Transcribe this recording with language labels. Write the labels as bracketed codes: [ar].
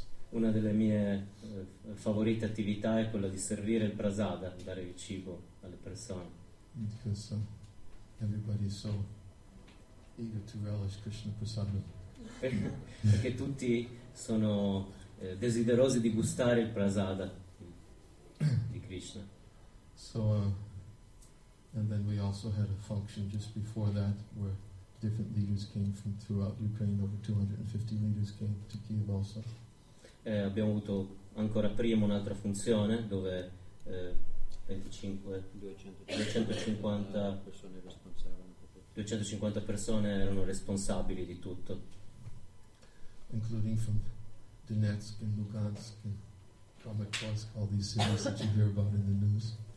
[it] Una delle mie favorite attività è quella di servire il prasada, dare il cibo alle persone. [en] Because everybody is so eager to relish Krishna prasada. [it] Perché tutti sono desiderosi di gustare il prasada di Krishna. [en] So and then we also had a function just before that where different leaders came from throughout Ukraine. Over 250 leaders came to Kiev also. [it] Abbiamo avuto ancora prima un'altra funzione dove 250 persone erano responsabili di tutto. [en] Including from Donetsk and Lugansk and Kramatorsk, all these cities that you hear about in the news.